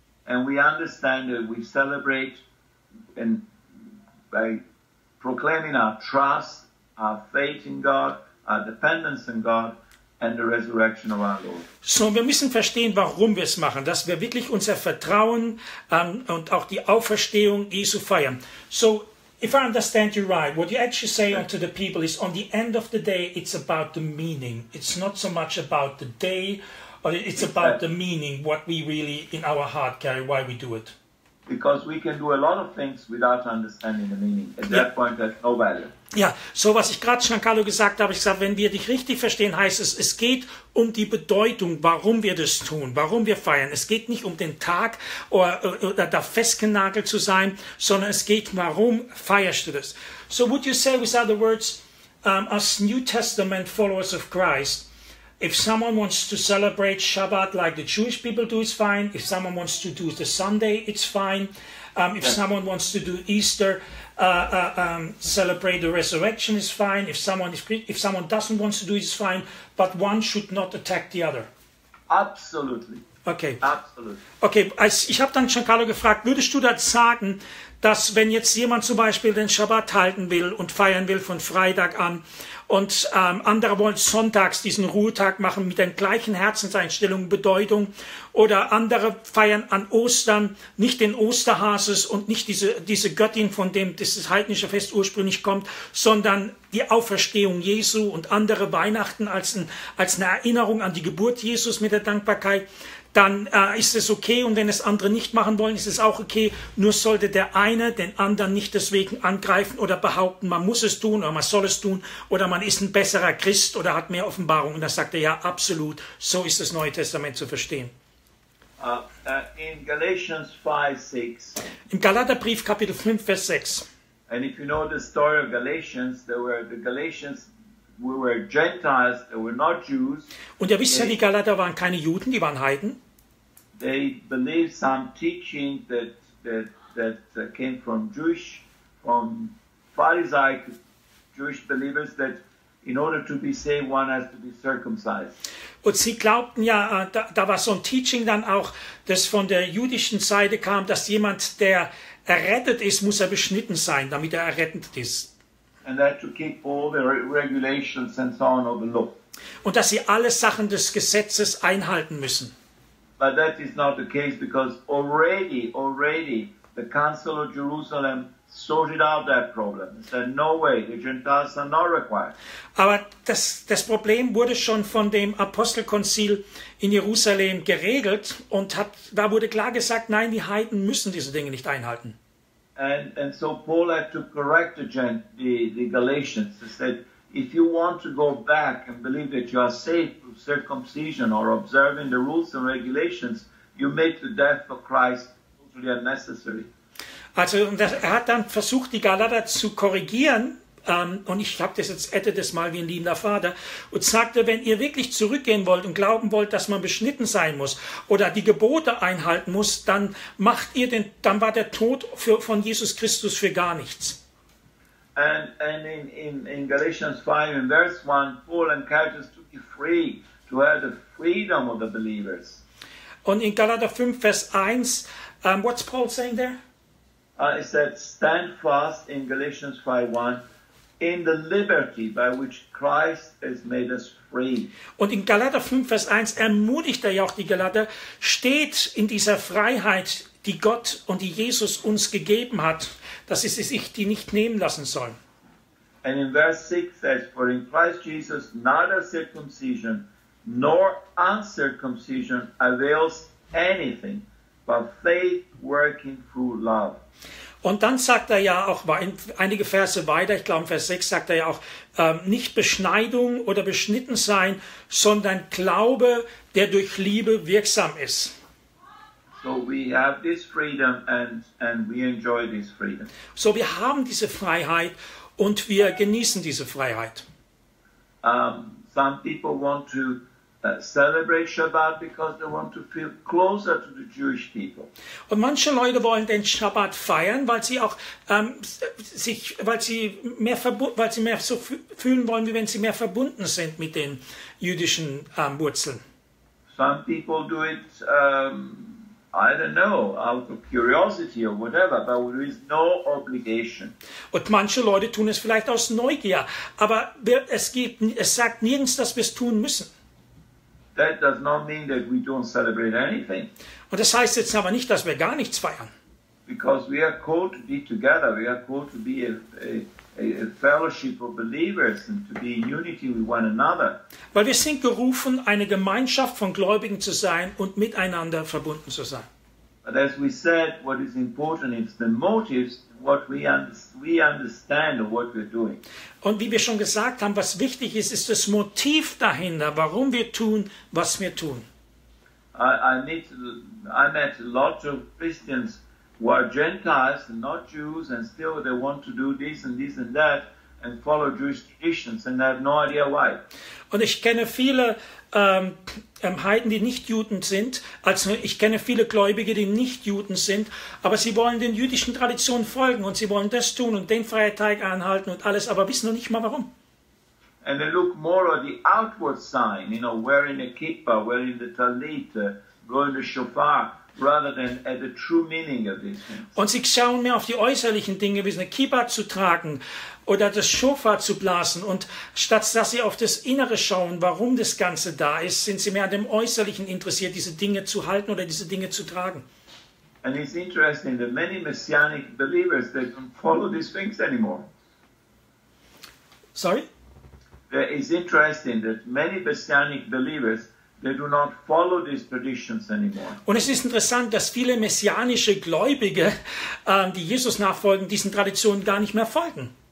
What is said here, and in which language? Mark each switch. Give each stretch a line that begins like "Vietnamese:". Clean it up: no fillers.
English: And we understand that we celebrate and by proclaiming our trust, our faith in God, our dependence in God, and the resurrection of our Lord.
German: So, wir müssen verstehen, warum wir es machen, dass wir wirklich unser Vertrauen und auch die Auferstehung Jesu feiern.
English: So, if I understand you right, what you actually say unto the people is, on the end of the day, it's about the meaning. It's not so much about the day, but it's about the meaning, what we really in our heart carry, why we do it. Because we can do a lot of things without understanding the meaning. At that point, there's no value.
German: Ja, so was ich gerade Giancarlo gesagt habe, ich sage, wenn wir dich richtig verstehen, heißt es, es geht um die Bedeutung, warum wir das tun, warum wir feiern. Es geht nicht um den Tag oder da festgenagelt zu sein, sondern es geht, warum feierst du das?
English: So would you say, with other words, as New Testament followers of Christ, if someone wants to celebrate Shabbat like the Jewish people do, it's fine. If someone wants to do the Sunday, it's fine. If someone wants to do Easter, celebrate the resurrection is fine. If someone doesn't want to do it, it's fine. But one should not attack the other. Absolutely. Okay. Absolutely.
German: Okay, ich habe dann Giancarlo gefragt, würdest du das sagen, dass wenn jetzt jemand zum Beispiel den Shabbat halten will und feiern will von Freitag an und andere wollen sonntags diesen Ruhetag machen mit den gleichen Herzenseinstellungen, Bedeutung oder andere feiern an Ostern nicht den Osterhases und nicht diese Göttin, von dem das heidnische Fest ursprünglich kommt, sondern die Auferstehung Jesu und andere Weihnachten als eine Erinnerung an die Geburt Jesus mit der Dankbarkeit, dann ist es okay, und wenn es andere nicht machen wollen, ist es auch okay, nur sollte der eine den anderen nicht deswegen angreifen oder behaupten, man muss es tun oder man soll es tun oder man ist ein besserer Christ oder hat mehr Offenbarung. Und da sagt er, ja, absolut, so ist das Neue Testament zu verstehen.
English: In Galatians 5:6.
German: Im Galaterbrief Kapitel 5, Vers 6.
English: And if you know the story of Galatians, we were Gentiles, they were not Jews.
German: Und ihr wisst ja, die Galater waren keine Juden, die waren Heiden.
English: They believed some teaching that came from Jewish, from Pharisaic Jewish believers, that in order to be saved, one has to be circumcised.
German: Und sie glaubten ja, da war so ein Teaching dann auch, das von der jüdischen Seite kam, dass jemand, der errettet ist, muss er beschnitten sein, damit er errettet ist.
English: And that to keep all the regulations and so on of the law.
German: Und dass sie alle Sachen des Gesetzes einhalten müssen.
English: But that is not the case, because already the Council of Jerusalem sorted out that problem. It said, no way, the Gentiles are not required.
German: Aber das Problem wurde schon von dem Apostelkonzil in Jerusalem geregelt und da wurde klar gesagt, nein, die Heiden müssen diese Dinge nicht einhalten.
English: And so Paul had to correct the Galatians. He said, if you want to go back and believe that you are safe through circumcision or observing the rules and regulations, you make the death of Christ totally unnecessary.
German: Also, er hat dann versucht, die Galater zu korrigieren, und ich habe das jetzt, hätte das mal wie ein liebender Vater, und sagte, wenn ihr wirklich zurückgehen wollt und glauben wollt, dass man beschnitten sein muss oder die Gebote einhalten muss, dann macht ihr den, dann war der Tod von Jesus Christus für gar nichts.
English: And in Galatians 5, in verse 1, Paul encourages to be free, to have the freedom of the believers.
German: Und in Galater 5, Vers 1,
English: what's Paul saying there? He said, stand fast in Galatians 5, 1, in the liberty by which Christ has made us free.
German: Und in Galater 5, Vers 1 ermutigt er ja auch die Galater, steht in dieser Freiheit, die Gott und die Jesus uns gegeben hat, dass sie sich die nicht nehmen lassen sollen.
English: And in verse 6 says, for in Christ Jesus neither circumcision nor uncircumcision avails anything, but faith working through love.
German: Und dann sagt er ja auch einige Verse weiter, ich glaube in Vers 6 sagt er ja auch, nicht Beschneidung oder beschnitten sein, sondern Glaube, der durch Liebe wirksam ist.
English: So we have this freedom and we enjoy this freedom.
German: So wir haben diese Freiheit und wir genießen diese Freiheit.
English: Some people want to celebrate Shabbat because they want to feel closer to the Jewish people.
German: Und manche Leute wollen den Shabbat feiern, weil sie auch fühlen wollen, wie wenn sie mehr verbunden sind mit den jüdischen Wurzeln.
English: Some people do it I don't know, out of curiosity or whatever, but there is no obligation.
German: Und manche Leute tun es vielleicht aus Neugier, aber es sagt nirgends, dass wir es tun müssen.
English: That does not mean that we don't celebrate anything.
German: Und das heißt jetzt aber nicht, dass wir gar nichts feiern.
English: Because we are called to be together, we are called to be a fellowship of believers and to be in unity with one another.
German: Weil wir sind gerufen, eine Gemeinschaft von Gläubigen zu sein und miteinander verbunden zu sein.
English: But as we said, what is important is the motives, what we understand of what we're doing.
German: Und wie wir schon gesagt haben, was wichtig ist, ist das Motiv dahinter, warum wir tun, was wir tun.
English: I met a lot of Christians who are Gentiles and not Jews, and still they want to do this and this and that and follow Jewish traditions, and they have no idea why.
German: Und ich kenne viele Heiden, die nicht Juden sind. Also ich kenne viele Gläubige, die nicht Juden sind, aber sie wollen den jüdischen Traditionen folgen und sie wollen das tun und den Freitag einhalten und alles, aber wissen noch nicht mal warum.
English: And they look more at the outward sign, you know, wearing a kippah, wearing the talit, blowing the shofar, rather than at the true meaning of these things.
German: Und sie schauen mehr auf die äußerlichen Dinge, wie eine Kippa zu tragen oder das Shofar zu blasen. Und statt dass sie auf das Innere schauen, warum das Ganze da ist, sind sie mehr an dem Äußerlichen interessiert, diese Dinge zu halten oder diese Dinge zu tragen.
English: And it's interesting that many messianic believers, they don't follow these things anymore. Sorry? It's interesting that many messianic believers, they do not follow these traditions anymore.
German: Und es ist interessant, dass viele messianische Gläubige, die Jesus nachfolgen, diesen Traditionen gar nicht mehr folgen.